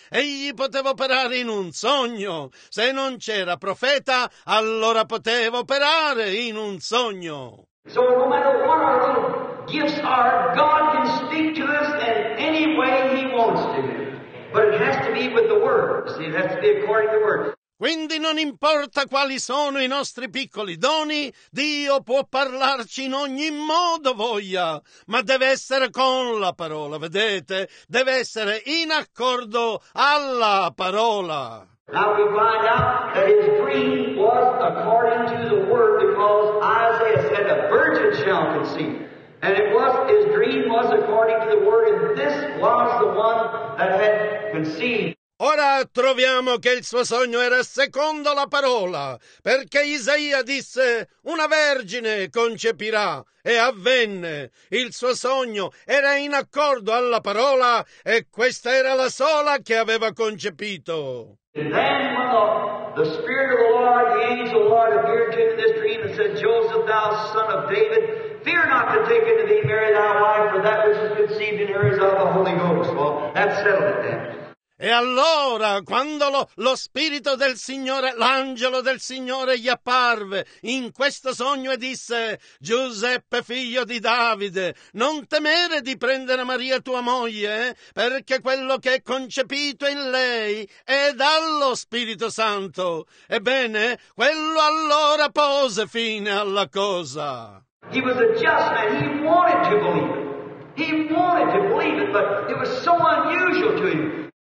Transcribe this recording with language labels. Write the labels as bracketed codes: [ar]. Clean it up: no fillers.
[it] Egli poteva operare in un sogno. Se non c'era profeta, allora poteva operare in un sogno. [en] So no matter what our little gifts are, God can speak to us in any way he wants to. But it has to be with the word. See, it has to be according to the word. [it] Quindi non importa quali sono i nostri piccoli doni, Dio può parlarci in ogni modo voglia, ma deve essere con la parola, vedete? Deve essere in accordo alla parola. [en] Now we find out that his dream was according to the word, because Isaiah said a virgin shall conceive. And it was, his dream was according to the word, and this was the one that had conceived. [it] Ora troviamo che il suo sogno era secondo la parola, perché Isaia disse, una vergine concepirà, e avvenne. Il suo sogno era in accordo alla parola, e questa era la sola che aveva concepito. [en] And then when the Spirit of the Lord, the angel of the Lord, appeared to him in this dream and said, Joseph, thou son of David, fear not to take unto thee Mary thy wife, for that which is conceived in her is of the Holy Ghost. Well, that settled it then. [it] E allora, quando lo spirito del Signore, l'angelo del Signore gli apparve in questo sogno e disse: Giuseppe, figlio di Davide, non temere di prendere Maria tua moglie, perché quello che è concepito in lei è dallo Spirito Santo. Ebbene, quello allora pose fine alla cosa. [en] He was a just man. He wanted to believe it. He wanted to believe it, but it was so unusual to him.